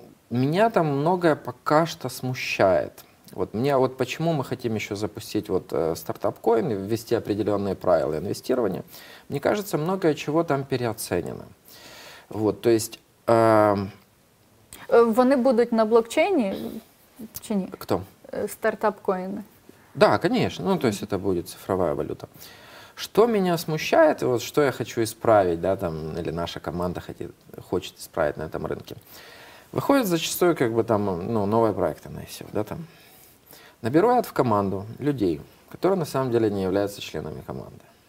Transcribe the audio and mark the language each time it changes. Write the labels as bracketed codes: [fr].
[ru] Меня там многое пока что смущает. Вот мне вот почему мы хотим еще запустить вот стартап-коин и ввести определенные правила инвестирования. Мне кажется, многое чего там переоценено. Вот, то есть... [uk] Вони будуть на блокчейні чи ні? Хто? Стартап-коїни. [ru] Да, конечно. Ну, то есть это будет цифровая валюта. Что меня смущает, вот что я хочу исправить, да, там, или наша команда хочет исправить на этом рынке. Выходят зачастую, как бы, там, ну, новые проекты на ICO, да, там. Набирают в команду людей, которые на самом деле не являются членами команды.